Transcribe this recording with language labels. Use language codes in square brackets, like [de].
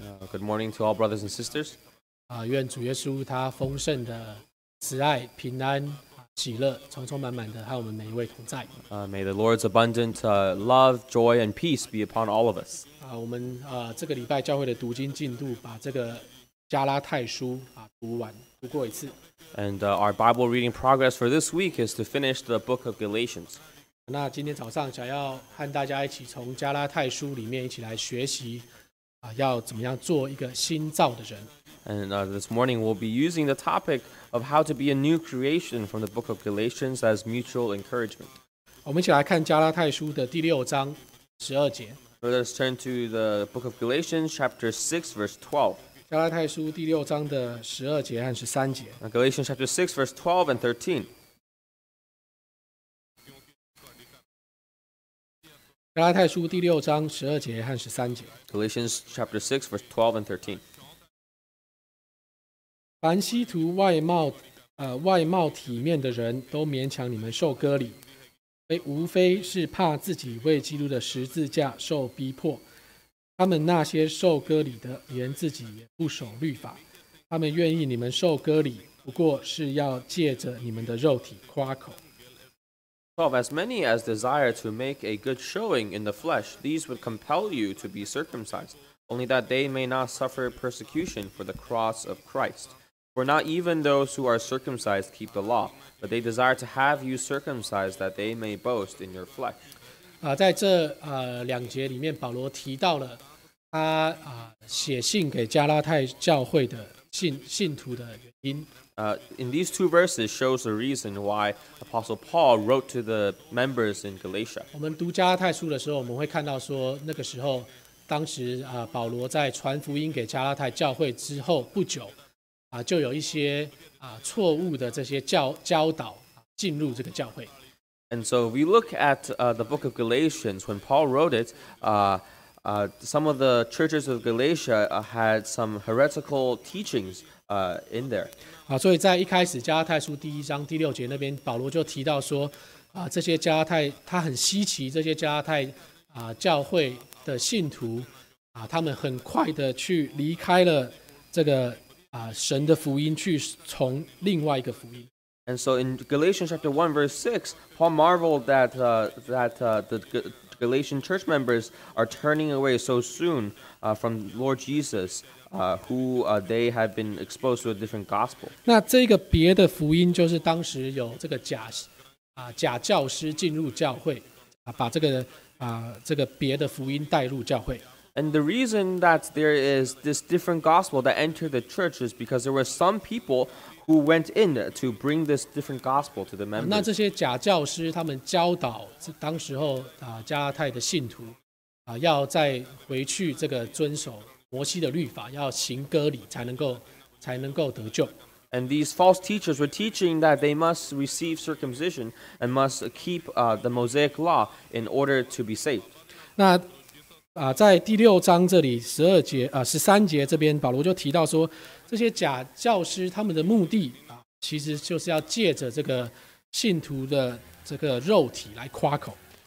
[en] Good morning to all brothers and sisters. [zh] 愿主耶稣他丰盛的慈爱、平安、喜乐，充充满满的和我们每一位同在。 [en] May the Lord's abundant love, joy, and peace be upon all of us. [zh] 我们这个礼拜教会的读经进度，把这个加拉太书读完，读过一次。 [en] And our Bible reading progress for this week is to finish the book of Galatians. [zh] 那今天早上想要和大家一起从加拉太书里面一起来学习要怎么样做一个新造的人。 [en] And this morning we'll be using the topic of how to be a new creation from the book of Galatians as mutual encouragement. [zh] 我们一起来看加拉太书的第六章十二节。 [en] So let's turn to the book of Galatians chapter 6 verse 12. [zh] 加拉太书第六章的十二节和十三节。 [en] Galatians chapter 6 verse 12 and 13. [zh] 加拉太书第六章十二节和十三节。 [en] Galatians chapter 6 verse 12 and 13. [zh] 凡希图外貌体面的人都勉强你们受割礼，无非是怕自己为基督的十字架受逼迫。他们那些受割礼的连自己也不守律法，他们愿意你们受割礼，不过是要借着你们的肉体夸口。 [en] As many as desire to make a good showing in the flesh, these would compel you to be circumcised, only that they may not suffer persecution for the cross of Christ. For not even those who are circumcised keep the law, but they desire to have you circumcised that they may boast in your flesh. [zh] 在这两节里面，保罗提到了他写信给加拉太教会的信徒的原因。 [en] In these two verses shows the reason why Apostle Paul wrote to the members in Galatia. [zh] 我们读加拉太书的时候，我们会看到说，那个时候，当时保罗在传福音给加拉太教会之后不久，就有一些错误的这些教导进入这个教会。 [en] And so we look at the book of Galatians when Paul wrote it. Some of the churches of Galatia had some heretical teachings in there. [zh] 所以在一开始加拉太书第一章第六节那边，保罗就提到说，这些加拉太他很稀奇，这些加拉太教会的信徒他们很快的去离开了这个神的福音，去从另外一个福音。 [en] And so in Galatians chapter 1 verse 6, Paul marveled that the Galatian church members are turning away so soon from Lord Jesus, who they have been exposed to a different gospel. [zh] 那这个别的福音就是当时有这个假教师进入教会，把这个别的福音带入教会。 [en] And the reason that there is this different gospel that entered the church is because there were some people who went in to bring this different gospel to the members. [zh] 那这些假教师他们教导当时候加拉太的信徒要再回去这个遵守摩西的律法，要行割礼才能够得救。 [en] And these false teachers were teaching that they must receive circumcision and must keep the Mosaic law in order to be saved. [zh] 那在第六章这里十二节十三节这边，保罗就提到说，这些假教师他们的目的其实就是要借着这个信徒的这个肉体来夸口。